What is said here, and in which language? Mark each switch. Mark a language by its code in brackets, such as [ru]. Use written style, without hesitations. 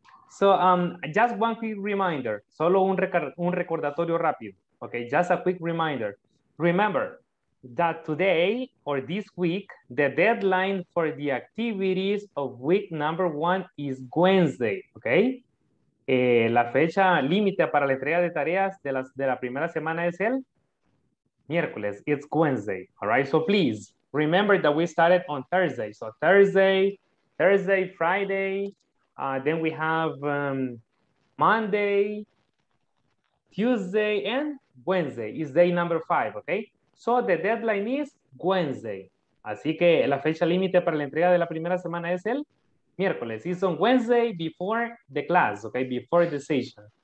[en] So just one quick reminder. [es] Solo un recordatorio rápido. [en] Ok, just a quick reminder. Remember that today or this week, the deadline for the activities of week number one is Wednesday, okay? [es] La fecha límite para la entrega de tareas de la primera semana es el miércoles. [en] It's Wednesday, all right? So please remember that we started on Thursday. So Thursday, Friday, then we have Monday, Tuesday, and Wednesday is day number 5, okay? So the deadline is Wednesday. [es] Así que la fecha límite para la entrega de la primera semana es el miércoles. [en] It's on Wednesday before the class, okay? Before the session.